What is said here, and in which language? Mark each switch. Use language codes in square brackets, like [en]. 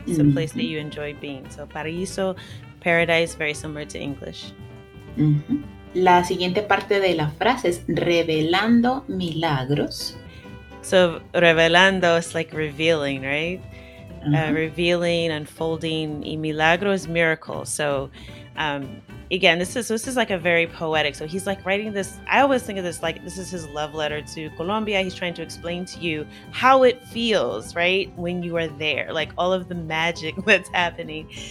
[en] It's mm-hmm. a place that you enjoy being. So, paraíso, paradise, very similar to English. Mm-hmm. [es] La siguiente parte de la frase es revelando milagros. [en] So, revelando is like revealing, right? Revealing, unfolding, [es] y milagro [en] is miracle. So, again, this is like a very poetic. So he's like writing this. I always think of this like this is his love letter to Colombia. He's trying to explain to you how it feels, right, when you are there, like all of the magic that's happening.